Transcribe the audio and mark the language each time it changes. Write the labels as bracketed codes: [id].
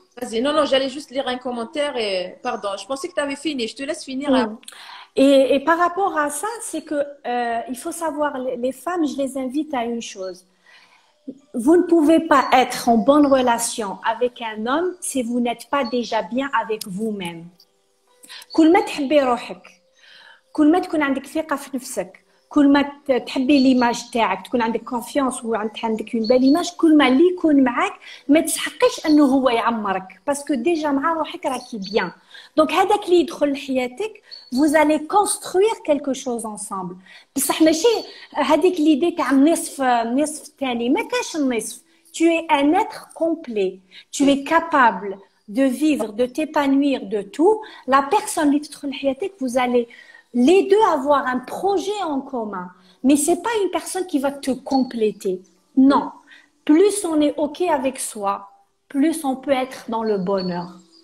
[fr] Vas-y, non, j'allais juste lire un commentaire et pardon, je pensais que tu avais fini, je te laisse finir. Mmh. Et par rapport à ça, c'est que il faut savoir, les femmes, je les invite à une chose. Vous ne pouvez pas être en bonne relation avec un homme si vous n'êtes pas déjà bien avec vous-même. [ar] كل ما تحبي روحك كل ما تكون عندك ثقه في نفسك كل ما تحبي ليماج تاعك تكون عندك كونفيونس وعندك [fr] une belle image [ar] كل ما لي يكون معاك ما تسحقيش انه هو يعمرك [fr] parce que déjà [ar] مع روحك راكي bien. [fr] Donc [ar] هذاك اللي يدخل لحياتك [fr] vous allez construire quelque chose ensemble. [ar] بصح ماشي هذيك l'idée تاع نصف نصف ثاني ما كاش النصف. [fr] Tu es un être complet. Tu es capable de vivre, de t'épanouir, de tout. La personne qui est dans la vie, vous allez les deux avoir un projet en commun. Mais ce n'est pas une personne qui va te compléter. Non. Plus on est OK avec soi, plus on peut être dans le bonheur.